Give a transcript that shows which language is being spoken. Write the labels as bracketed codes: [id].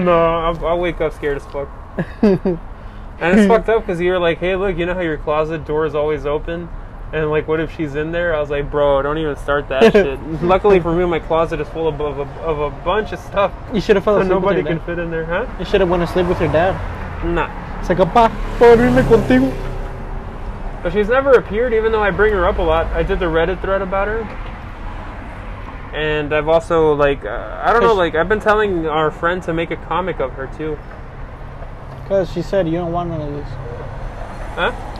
[en] No, I'll wake up scared as fuck. And it's fucked up because you're like, hey, look, you know how your closet door is always open? And, like, what if she's in there? I was like, bro, don't even start that shit. Luckily for me, my closet is full of a bunch of stuff. You should have fell asleep your dad. So nobody can fit in there, huh? You should have went to sleep with your dad. Nah. It's like, [es] papá, ¿puedo dormir contigo? [en] But she's never appeared, even though I bring her up a lot. I did the Reddit thread about her. And I've also, like, I don't know, like, I've been telling our friend to make a comic of her, too. Because she said, you don't want none of this. Huh?